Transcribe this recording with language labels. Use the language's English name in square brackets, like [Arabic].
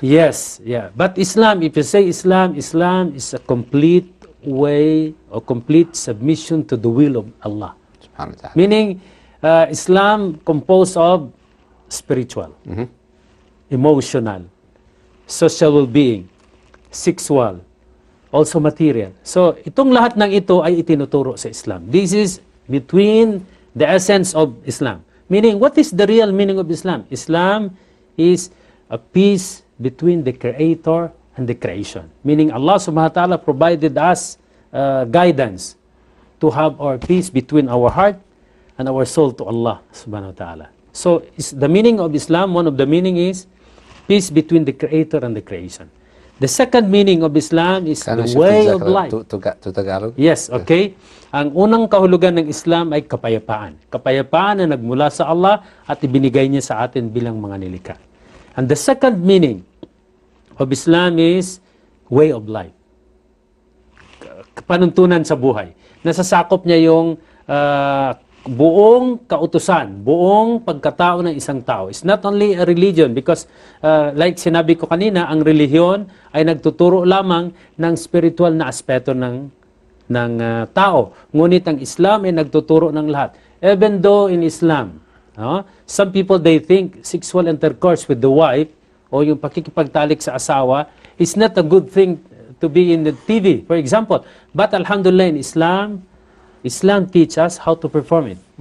[English] Yes, yeah. But Islam, if you say Islam is a complete way or complete submission to the will of Allah. [Arabic] Subhanahu wa ta'ala. [English] Meaning Islam composed of spiritual, emotional, social well-being, sexual, also material. [Filipino] So itong lahat ng ito ay itinuturo sa Islam. [English] This is between the essence of Islam. Meaning, what is the real meaning of Islam? Islam is a peace between the Creator and the creation. Meaning Allah subhanahu wa ta'ala provided us guidance to have our peace between our heart and our soul to Allah subhanahu wa ta'ala. So is the meaning of Islam, one of the meaning is peace between the Creator and the creation. The second meaning of Islam is the way of life. To Tagalog? Yes, okay. [Filipino] Ang unang kahulugan ng Islam ay kapayapaan. Kapayapaan na nagmula sa Allah at ibinigay niya sa atin bilang mga nilikha. [English] And the second meaning of Islam is way of life, [Filipino] panuntunan sa buhay. Nasasakop niya yung buong kautusan, buong pagkatao ng isang tao. [English] It's not only a religion, because like [Filipino] sinabi ko kanina, ang relihiyon ay nagtuturo lamang ng spiritual na aspeto ng tao. Ngunit ang Islam ay nagtuturo ng lahat. [English] Even though in Islam, some people they think sexual intercourse with the wife [Filipino] o yung pakikipagtalik sa asawa [English] is not a good thing to be in the TV, for example. But alhamdulillah, in Islam teach us how to perform it.